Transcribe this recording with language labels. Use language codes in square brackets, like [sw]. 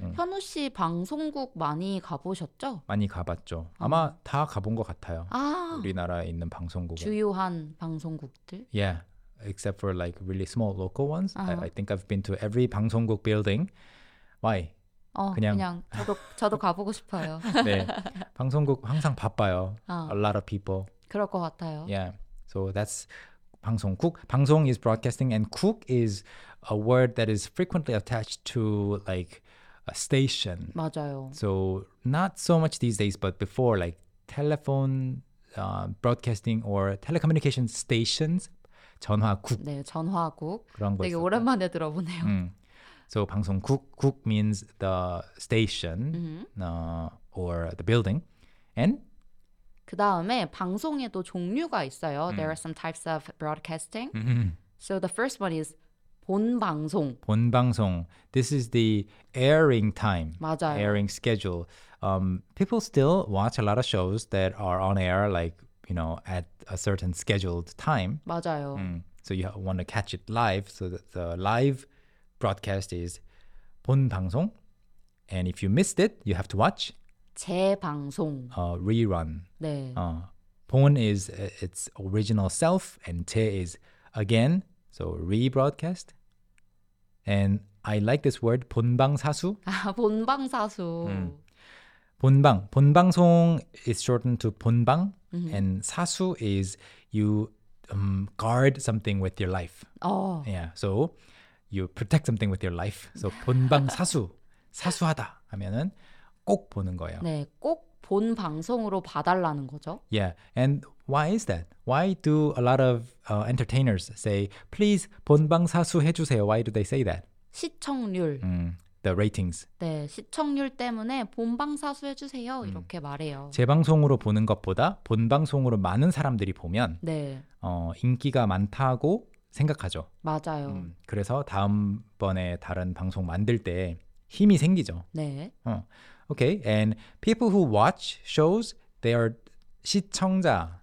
[ko] 현우 씨 방송국 많이 가보셨죠? 많이 가봤죠. 아마 다 가본 것 같아요. 아, 우리나라에 있는 방송국. 주요한 방송국들? [en] Yeah. Except for like really small local ones. Uh-huh. I think I've been to every 방송국 building. Why? [ko] 그냥 저도 가보고 싶어요. 네. 방송국 항상 바빠요. [en] A lot of people. [ko] 그럴 것 같아요. [en] Yeah. So that's 방송국. 방송 is broadcasting and 국 is a word that is frequently attached to like a station. [ko] 맞아요. [en] So not so much these days, but before like telephone broadcasting or telecommunications stations, 전화국. [ko] 네, 전화국. 그런 거 되게 오랜만에 들어보네요. [en] So 방송국, 국 means the station or the building. And? [ko] 그 다음에 방송에도 종류가 있어요. [en] There are some types of broadcasting. So the first one is 본방송. 본방송. This is the airing time. [ko] 맞아요. [en] Airing schedule. People still watch a lot of shows that are on air, like, you know, at a certain scheduled time. [ko] 맞아요. [en] So you want to catch it live. So the live broadcast is 본방송. And if you missed it, you have to watch [ko] 재방송. [en] Rerun. [ko] 네. [en] 본 is its original self, and 재 is again. So rebroadcast. And I like this word 본방사수. [ko] 아, 본방사수. [en] 본방. 본방송 is shortened to 본방. And 사수 is you guard something with your life. Oh. Yeah. So you protect something with your life. So 본방사수. [ko] 사수하다 하면은 꼭 보는 거예요. 네, 꼭 본 방송으로 봐달라는 거죠. [en] Yeah. And why is that? Why do a lot of entertainers say, please, [ko] 본방사수 해주세요? [en] Why do they say that? [ko] 시청률. [en] The ratings. [ko] 네, 시청률 때문에 본방사수 해주세요. 이렇게 말해요. 재방송으로 보는 것보다 본방송으로 많은 사람들이 보면 네. 인기가 많다고 생각하죠. 맞아요. 그래서 다음번에 다른 방송 만들 때 힘이 생기죠. 네. [en] Okay, and people who watch shows, they are 시청자.